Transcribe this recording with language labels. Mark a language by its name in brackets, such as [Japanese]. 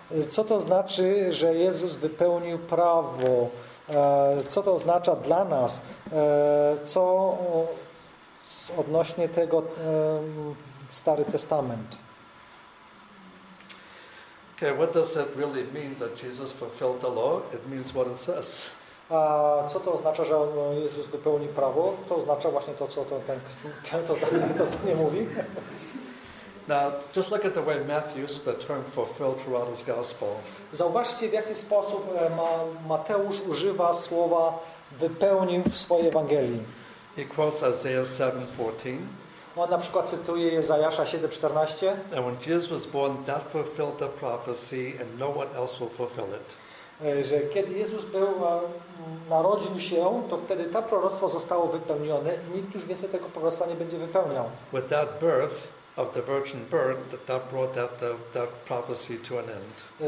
[Polish] Co to znaczy, że Jezus wypełnił prawo? Co to oznacza dla nas? Co odnośnie tego Stary Testament? [English] Okay, what does it really mean that Jesus fulfilled the law? It means what it says. [Polish] A co to oznacza, że Jezus wypełnił prawo? To oznacza właśnie to, co to zdanie mówi. [English] Now, just look at the way Matthew uses the term fulfilled throughout his gospel. [Polish] Zauważcie, w jaki sposób Mateusz używa słowa wypełnił w swojej Ewangelii. [English] He quotes Isaiah 7:14. [Polish] On na przykład cytuje Izajasza 7:14. [English] And when Jesus was born, that fulfilled the prophecy, and no one else will fulfill it. [Polish] Że kiedy Jezus był, narodził się, to wtedy to proroctwo zostało wypełnione i nikt już więcej tego proroctwa nie będzie wypełniał. [English] With that birth of the virgin birth, that brought that prophecy to an end.